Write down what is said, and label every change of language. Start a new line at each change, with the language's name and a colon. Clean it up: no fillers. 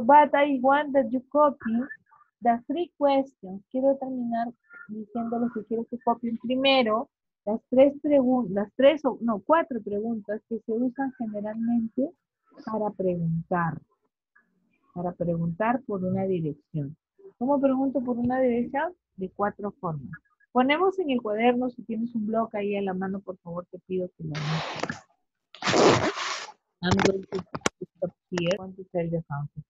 English: But I want that you copy the three questions.
Spanish: Quiero terminar diciendo lo que quiero que copien primero. Las cuatro preguntas que se usan generalmente para preguntar. Para preguntar por una dirección. ¿Cómo pregunto por una dirección? De cuatro formas. Ponemos en el cuaderno, si tienes un blog ahí a la mano, por favor, te pido que lo hagas.
English: I'm going to stop here. I want to tell the answer.